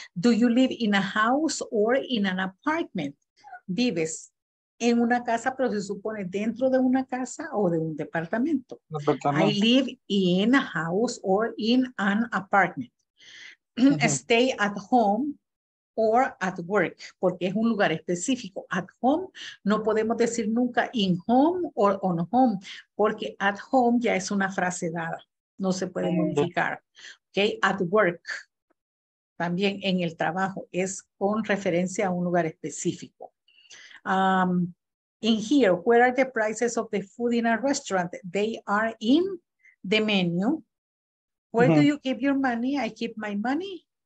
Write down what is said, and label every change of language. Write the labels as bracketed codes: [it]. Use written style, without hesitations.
[en] Do you live in a house or in an apartment? [es] ¿Vives en una casa, pero se supone dentro de una casa o de un departamento? Departamento. [en] I live in a house or in an apartment. Stay at home or at work, [es] porque es un lugar específico. At home, no podemos decir nunca [en] in home or on home, [es] porque at home ya es una frase dada. No se puede modificar. Okay, at work, también en el trabajo, es con referencia a un lugar específico. [en] In here, where are the prices of the food in a restaurant? They are in the menu. Where do you keep your money? I keep my money.